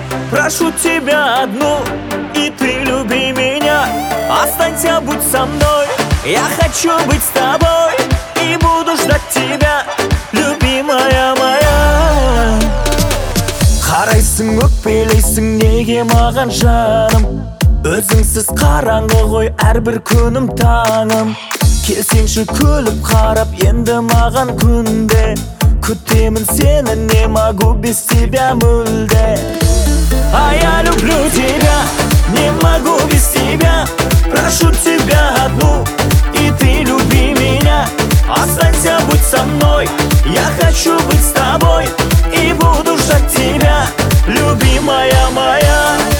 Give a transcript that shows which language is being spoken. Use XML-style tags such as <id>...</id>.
<ru>прошу тебя одну, и ты люби меня, останься, будь со мной. Я хочу быть с тобой и буду ждать тебя, любимая моя.</ru> <kk>Қарайсың, өкпелейсің, неге маған жаным? Өзіңсіз қараңғы ғой, әрбір күнім таңым. Келсеңші күліп қарап, енді маған күнде. Күтемін сені,</kk> <ru>не могу без тебя</ru> <kk>мүлде.</kk> <ru>А я люблю тебя, не могу без тебя. Прошу тебя одну, и ты люби меня. Останься, будь со мной, я хочу быть с тобой. И буду ждать тебя, любимая моя.</ru>